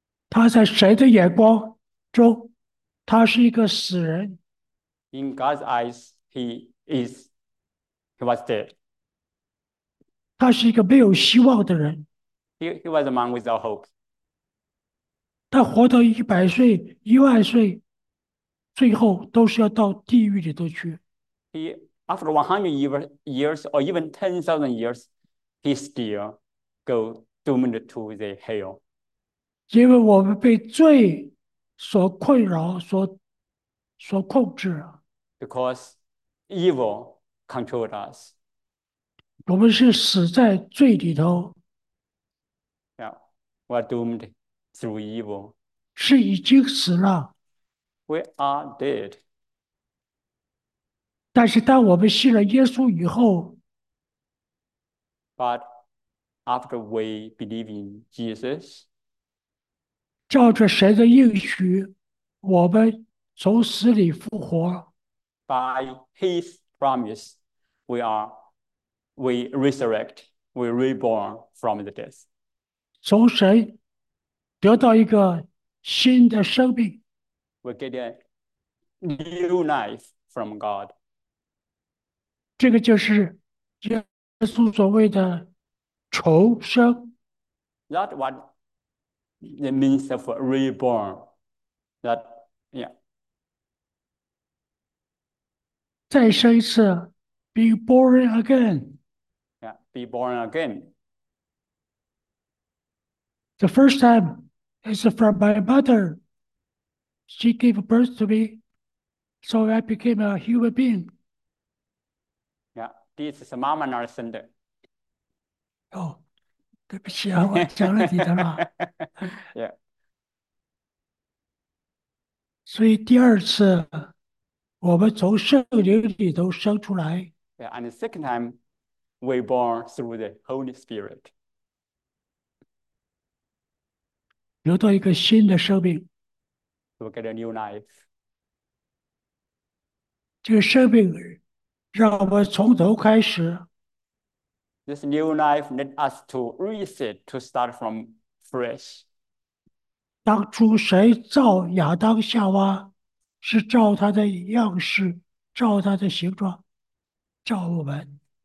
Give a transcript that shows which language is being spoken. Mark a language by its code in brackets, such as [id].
[zh] 他在神的眼光中，他是一个死人。 [en] In God's eyes, he was dead. [zh] 他是一个没有希望的人。 [en] He was a man without hope. [zh] 他活到100岁、1万岁，最后都是要到地狱里头去。 [en] He after 100 years or even 10,000 years, he still go doomed to the hell. [zh] 因为我们被罪所困扰、所控制， [en] Because evil controlled us. [zh] 我们是死在罪里头， [en] We're doomed through evil. [zh] 是已经死了。 [en] We are dead. [zh] 但是，当我们信了耶稣以后， [en] But after we believe in Jesus, [zh] 照着神的应许，我们从死里复活。 [en] By His promise, we resurrect, we reborn from the death. [zh] 从神得到一个新的生命， [en] We get a new life from God. [zh] 这个就是耶稣所谓的重生。 [en] That what the means of reborn. That. [zh] 再生一次， [en] be born again。 Yeah, be born again. The first time is from my mother. She gave birth to me, so I became a human being. Yeah, this is a mama nursing. [zh] 哦，对不起啊，我讲了你的了。所以第二次。我们从圣灵里头生出来， [en] Yeah, and the second time. We born through the Holy Spirit. [zh] 得到一个新的生命。 [en] to get a new life. [zh] 这个生命让我们从头开始。 [en] This new life needs us to reset to start from fresh. [zh] 当初谁造亚当夏娃，是照他的样式，照他的形状，照我们。